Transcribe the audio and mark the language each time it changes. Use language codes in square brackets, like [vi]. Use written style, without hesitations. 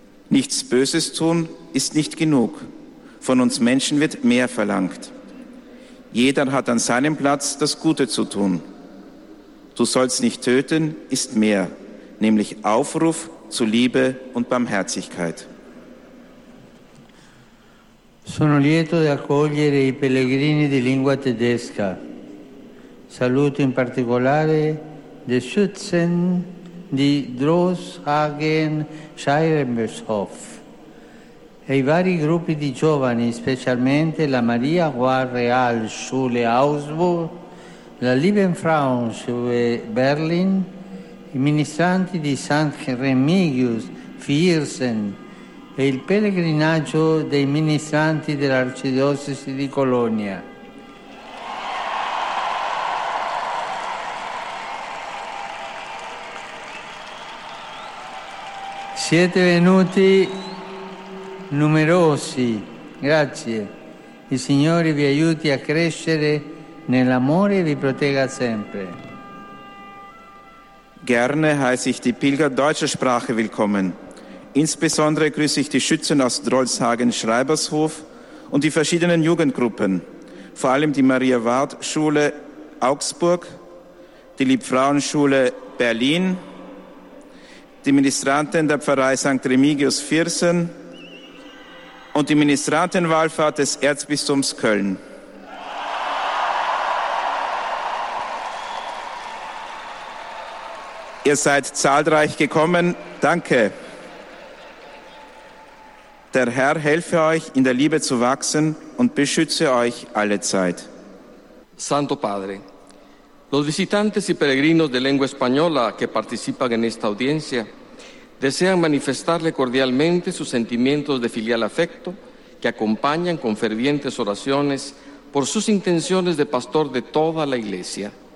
[de] Nichts Böses tun ist nicht genug. Von uns Menschen wird mehr verlangt. Jeder hat an seinem Platz das Gute zu tun. Du sollst nicht töten ist mehr, nämlich Aufruf zu Liebe und Barmherzigkeit. [it] Sono lieto di accogliere i pellegrini di lingua tedesca. Saluto in particolare de Schützen di Droshagen Scheibenhof e i vari gruppi di giovani, specialmente la Maria Guarreal Schule Augsburg, la Liebenfrauenschule Berlin, i ministranti di San Remigius Viersen e il pellegrinaggio dei ministranti dell'Arcidiocesi di Colonia. Siete venuti numerosi, grazie. Il Signore vi aiuti a crescere nell'amore e vi protegga sempre. [de] Gerne heiße ich die Pilger deutscher Sprache willkommen. Insbesondere grüße ich die Schützen aus Drolshagen-Schreibershof und die verschiedenen Jugendgruppen, vor allem die Maria-Ward-Schule Augsburg, die Liebfrauenschule Berlin, die Ministranten der Pfarrei St. Remigius Viersen und die Ministrantenwallfahrt des Erzbistums Köln. Ihr seid zahlreich gekommen, danke. Der Herr helfe euch, in der Liebe zu wachsen und beschütze euch alle Zeit. [es] Santo Padre, los visitantes y peregrinos de lengua española que participan en esta audiencia desean manifestarle cordialmente sus sentimientos de filial afecto que acompañan con fervientes oraciones por sus intenciones de pastor de toda la Iglesia.